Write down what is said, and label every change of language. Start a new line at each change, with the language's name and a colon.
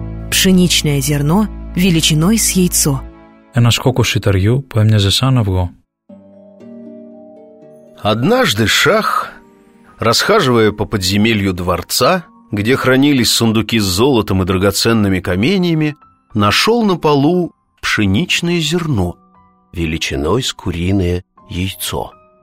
Russian: Пшеничное зерно величиной с яйцо.
Greek: Ένα σκόκο σιταριού που έμοιαζε σαν αυγό.
Russian: Однажды Шах, расхаживая по подземелью дворца, где хранились сундуки с золотом и драгоценными каменьями, нашел на полу пшеничное зерно величиной с куриное яйцо.